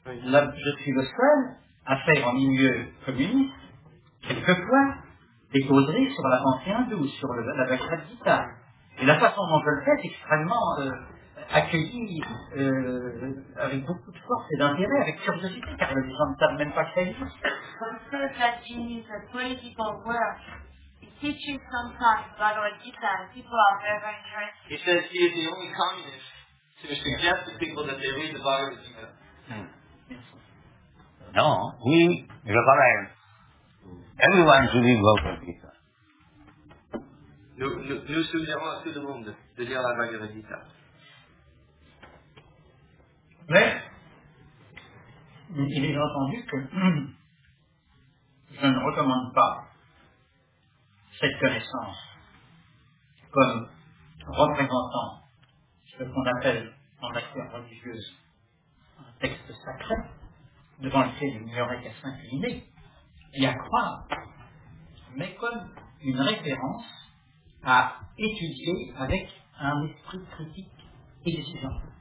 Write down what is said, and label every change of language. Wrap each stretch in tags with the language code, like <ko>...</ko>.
<fr>Là, je suis le seul à faire en milieu communiste, quelquefois, des causeries sur la pensée hindoue, sur la Bhagavad Gita. Et la façon dont je le fais est extrêmement accueillie avec beaucoup de force et d'intérêt, avec curiosité, car les gens ne savent même pas que ça existe.</fr> <en>Because that in his political work, he teaches sometimes Bhagavad Gita, and people are very, very interested. He says he is the only communist to suggest to people that they read the Bhagavad Gita. No, he recommends everyone should read Bhagavad Gita.</en> <fr>Nous suggérons à tout le monde de lire la Bhagavad Gita. Mais il est entendu que je ne recommande pas cette connaissance comme représentant ce qu'on appelle en matière religieuse un texte sacré devant lequel il n'y aurait qu'à s'incliner et à croire, mais comme une référence à étudier avec un esprit critique et exigeant.</fr>